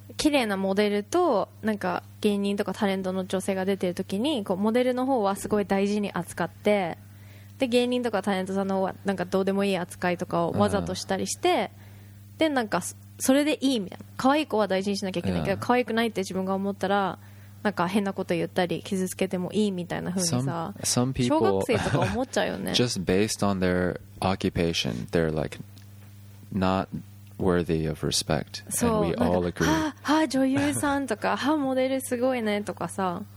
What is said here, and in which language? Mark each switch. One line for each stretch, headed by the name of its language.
Japanese: 綺麗なモデルとなんか芸人とかタレントの女性が出てる時にこうモデルの方はすごい大事に扱ってで芸人とかタレントさんの方はなんかどうでもいい扱いとかをわざとしたりしてでなんかそれでいいみたいな可愛い子は大事にしなきゃいけないけど可愛くないって自分が思ったらなんか変なこと言ったり傷つけてもいいみたいな風にさ
English: some people
Japanese: 小学生とか思っちゃうよね
English: just based on their occupation they're like notworthy of respect and we all agree
Japanese: はあ女優さんとかはあモデルすごいねとかさ、